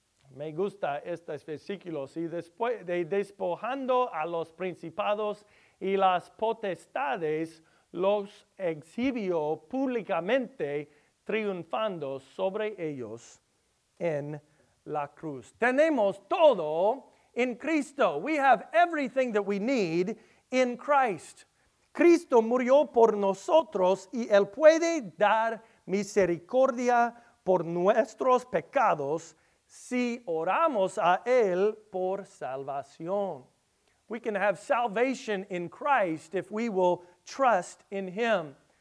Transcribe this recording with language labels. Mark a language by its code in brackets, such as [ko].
[es] Me gusta estos versículos. Y después de despojando a los principados y las potestades, los exhibió públicamente, triunfando sobre ellos en la cruz. Tenemos todo en Cristo. [en] We have everything that we need in Christ. [es] Cristo murió por nosotros y Él puede dar misericordia por nuestros pecados si oramos a Él por salvación. [en] We can have salvation in Christ if we will trust in Him.